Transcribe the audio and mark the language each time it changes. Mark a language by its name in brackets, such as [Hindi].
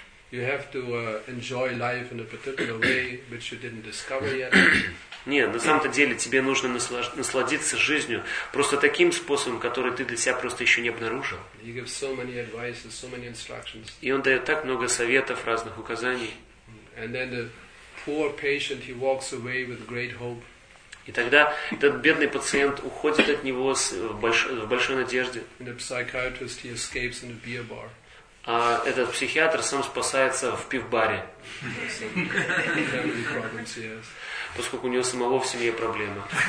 [English] You have to enjoy life in a particular way, which you didn't discover yet. [Russian] Не, на самом-то деле тебе нужно насладиться жизнью просто таким способом, который ты для себя просто еще не обнаружил. [English] He gives so many advices, so many instructions. [Russian] И он дает так много советов, разных указаний. [English] And then the poor patient, he walks away with great hope. [Russian] И тогда этот бедный пациент уходит от него в большой надежде. [English] And the psychiatrist, he escapes in a beer bar. [Russian] А этот психиатр сам спасается в пивбаре. [English] Yes. [Russian] Поскольку у него самого в семье проблемы.